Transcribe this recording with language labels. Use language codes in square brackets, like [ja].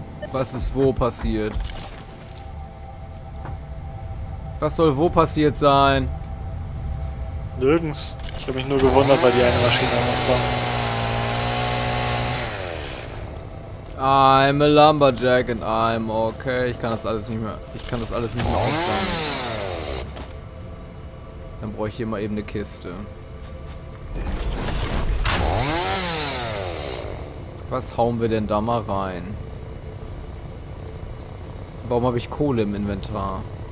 [de] Was ist wo passiert? Was soll wo passiert sein? Nirgends. Ich habe mich nur gewundert, weil die eine Maschine anders war. [en] I'm a Lumberjack and I'm okay. [de] Ich kann das alles nicht mehr. Ich kann das alles nicht mehr aufsteigen. Dann brauche ich hier mal eben eine Kiste. Was hauen wir denn da mal rein? Warum habe ich Kohle im Inventar?